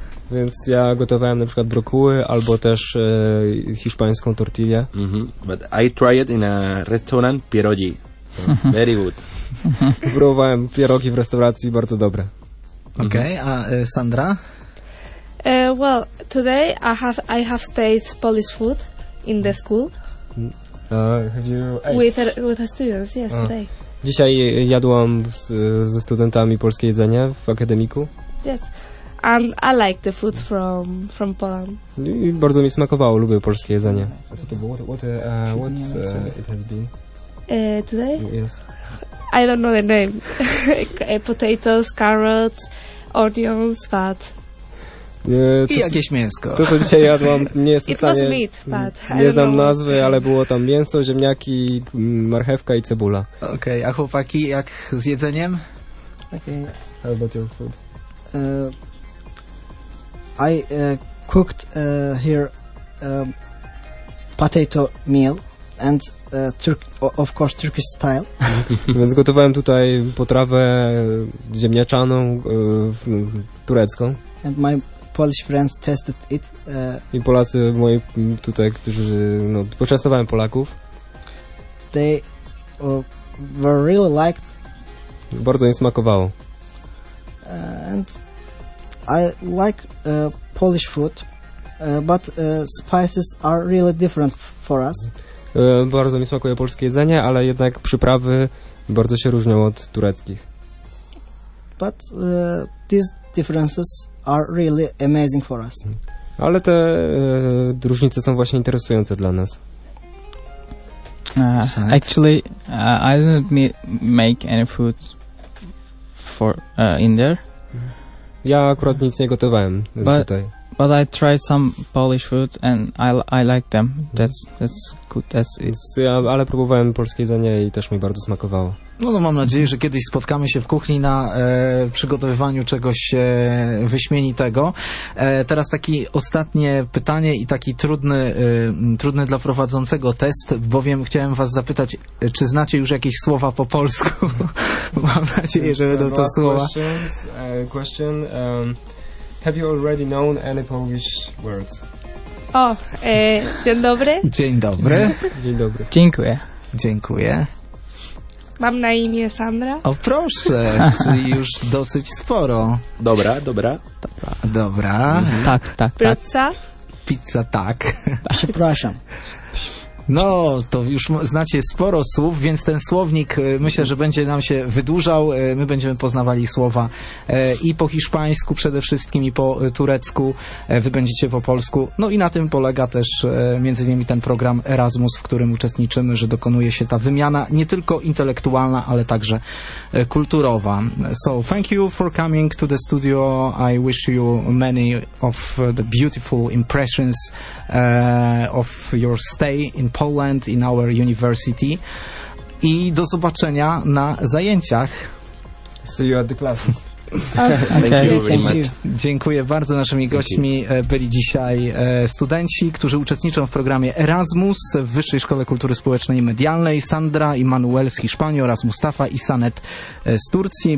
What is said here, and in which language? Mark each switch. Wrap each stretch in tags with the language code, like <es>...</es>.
<pl>Więc ja gotowałem na przykład brokuły albo też hiszpańską tortillę. Mm-hmm.</pl> <en>But I tried it in a restaurant, pierogi. So very good.</en> <pl>Próbowałem pierogi w restauracji, bardzo dobre. Okay, mm-hmm. A Sandra?</pl> <en>Well, today I have tasted Polish food in the school. Have you ate? With the students, yes, today.</en> <pl>Dzisiaj jadłam ze studentami polskie jedzenie w akademiku.</pl> <en>Yes, and I like the food from Poland.</en> <pl>I bardzo mi smakowało, lubię polskie jedzenie. A co to było?</pl> <en>What it has been? Today? Yes. I don't know the name. Potatoes, carrots, onions, but...</en> <pl>I jakieś mięsko. To, co dzisiaj jadłam, nie jestem w stanie...</pl> <en>It was meat, but...</en> <pl>Nie znam nazwy, ale było tam mięso, ziemniaki, marchewka i cebula. Okej, okay, a chłopaki, jak z jedzeniem?</pl> <en>Okay. How about your food? I cooked here potato meal and of course Turkish style.</en> <pl>Więc gotowałem tutaj potrawę ziemniaczaną turecką.</pl> <en>And my Polish friends tested it.</en> <pl>I Polacy moi tutaj, którzy no, poczęstowałem Polaków.</pl> <en>They were really liked.</en> <pl>Bardzo im smakowało.</pl> <en>And I like Polish food, but spices are really different for us.</en> <pl>Bardzo mi smakuje polskie jedzenie, ale jednak przyprawy bardzo się różnią od tureckich.</pl> <en>But these differences are really amazing for us.</en> <pl>Ale te różnice są właśnie interesujące dla nas.</pl> <en>Actually, I didn't make any food for in there.</en> <pl>Ja akurat nic nie gotowałem tutaj.</pl> <en>But I tried some Polish food and I like them. That's good. That's it.</en> <pl>Ja, ale próbowałem polskie jedzenie i też mi bardzo smakowało. No, no mam nadzieję, że kiedyś spotkamy się w kuchni na przygotowywaniu czegoś wyśmienitego. Teraz takie ostatnie pytanie i taki trudny dla prowadzącego test, bowiem chciałem was zapytać, czy znacie już jakieś słowa po polsku? Mam nadzieję, że będą to słowa.</pl> <en>Question. Have you already known any Polish words?</en> <pl>Oh, dzień dobry. Dzień dobry. Dzień dobry. Dziękuję. Dziękuję. Mam na imię Sandra. O proszę, czyli już dosyć sporo. Dobra, dobra. Dobra. Dobra. Mhm. Tak, tak, tak. Pizza? Pizza, tak. Przepraszam. No, to już znacie sporo słów, więc ten słownik myślę, że będzie nam się wydłużał. My będziemy poznawali słowa i po hiszpańsku przede wszystkim, i po turecku. Wy będziecie po polsku. No i na tym polega też między innymi ten program Erasmus, w którym uczestniczymy, że dokonuje się ta wymiana nie tylko intelektualna, ale także kulturowa.</pl> <en>So, thank you for coming to the studio. I wish you many of the beautiful impressions of your stay in Poland, in our university.</en> <pl>I do zobaczenia na zajęciach.</pl> <en>See you at the class. Thank you very much.</en> <pl>Dziękuję bardzo. Naszymi gośćmi byli dzisiaj studenci, którzy uczestniczą w programie Erasmus w Wyższej Szkole Kultury Społecznej i Medialnej. Sandra i Manuel z Hiszpanii oraz Mustafa i Sanet z Turcji.</pl>